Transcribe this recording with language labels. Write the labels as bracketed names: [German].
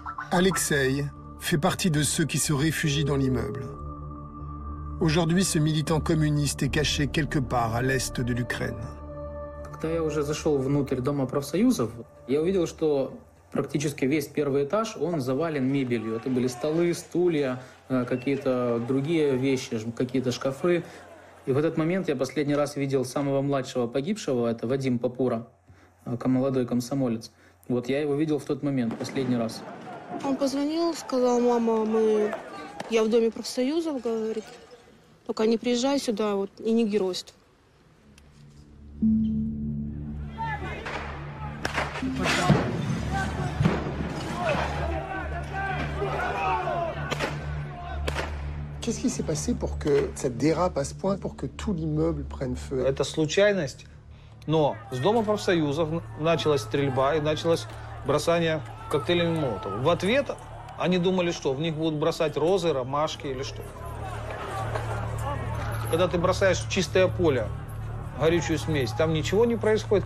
[French] Алексей fait partie de ceux qui se réfugient dans l'immeuble. Aujourd'hui, ce militant communiste est caché quelque part à l'est de l'Ukraine. [Ukrainian] Коли я вже зайшов [Russian] внутрь дома профсоюзів, я побачив, що практично весь перший этаж он завален мебелью. Это были столы, стулья, какие-то другие вещи, какие-то шкафы. И в этот момент я последний раз видел самого младшего погибшего, это Вадим Попура, молодой комсомолец. Вот я его видел в тот момент, последний раз. Он позвонил, сказал: «Мама, я в доме профсоюзов», говорит. «Пока не приезжай сюда, вот, и не геройствуй». [French] Qu'est-ce qui s'est passé pour que ça dérape à ce point, pour que tout l'immeuble prenne feu? [Russian] Это случайность, но с дома профсоюзов началась стрельба и началось бросание коктейлями Молотова. В ответ они думали, что в них будут бросать розы, ромашки или что. Когда ты бросаешь в чистое поле горючую смесь, там ничего не происходит.